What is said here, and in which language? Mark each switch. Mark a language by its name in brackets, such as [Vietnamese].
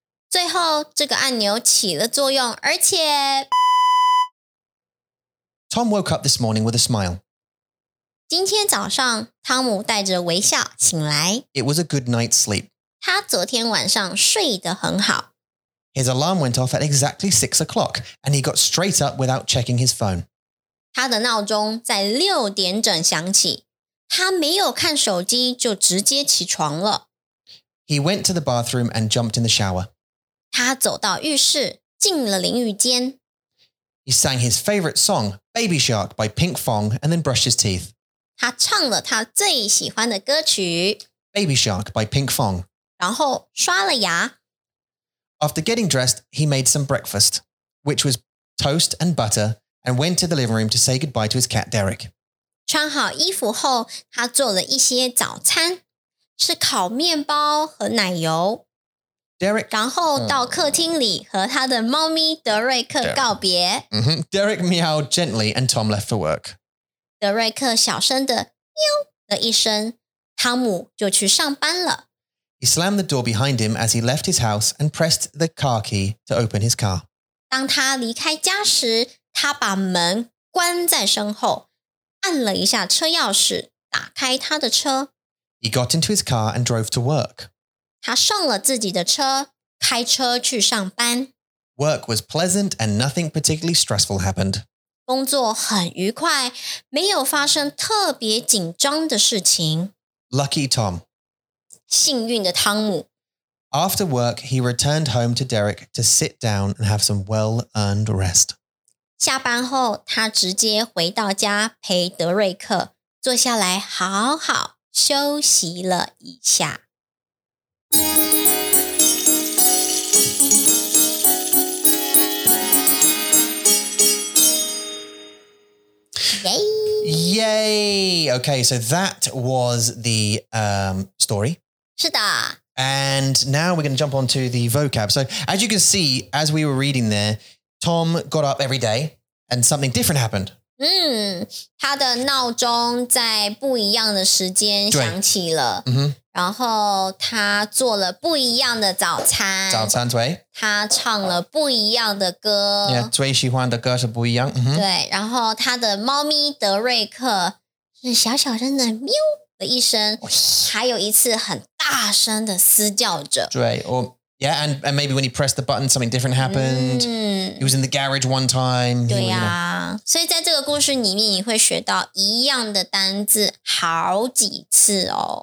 [Chinese] 最后这个按钮起了作用，而且 [English] Tom woke up this morning with a smile. [Chinese] 今天早上，汤姆带着微笑醒来。 [English] It was a good night's sleep. [Chinese] 他昨天晚上睡得很好。 [English] His alarm went off at exactly 6 o'clock, and he got straight up without checking his phone. [Chinese] 他的闹钟在六点整响起，他没有看手机就直接起床了。 [English] He went to the bathroom and jumped in the shower. [Chinese] 他走到浴室，进了淋浴间。 [English] He sang his favorite song, Baby Shark by Pink Fong, and then brushed his teeth. [Chinese] 他唱了他最喜欢的歌曲 [English] Baby Shark by Pink Fong. [Chinese] 然后刷了牙。 [English] After getting dressed, he made some breakfast, which was toast and butter, and went to the living room to say goodbye to his cat, Derek. [Chinese] 穿好衣服后，他做了一些早餐，是烤面包和奶油。 [English] Derek, [Chinese] 然后到客厅里和他的猫咪德瑞克告别。 [English] Derek meowed gently and Tom left for work. [Chinese] 德瑞克小声的喵了一声，汤姆就去上班了。 [English] He slammed the door behind him as he left his house and pressed the car key to open his car. [Chinese] 当他离开家时，他把门关在身后，按了一下车钥匙，打开他的车。 [English] He got into his car and drove to work. [Chinese] 他上了自己的车，开车去上班。 [English] Work was pleasant and nothing particularly stressful happened. [Chinese] 工作很愉快，没有发生特别紧张的事情。 [English] Lucky Tom. [Chinese] 幸运的汤姆。 [English] After work, he returned home to Derek to sit down and have some well-earned rest. 下班后，他直接回到家陪德瑞克，坐下来好好休息了一下。 Yay! Yay! Okay, so that was the story. [Chinese] 是的。 [English] And now we're going to jump onto the vocab. So as you can see, as we were reading there, Tom got up every day and something different happened. [Chinese] 他的闹钟在不一样的时间响起了。 Mm-hmm. 然后他做了不一样的早餐。早餐对。他唱了不一样的歌。 Yeah, 最喜欢的歌是不一样。Mm-hmm. 对。然后他的猫咪德瑞克是小小声的喵。一声，还有一次很大声的嘶叫着。 [English] 对 ，or yeah, and maybe when he pressed the button, something different happened.、He was in the garage one time. [Chinese] 对呀、啊， [English] you know. [Chinese] 所以在这个故事里面，你会学到一样的单字好几次哦。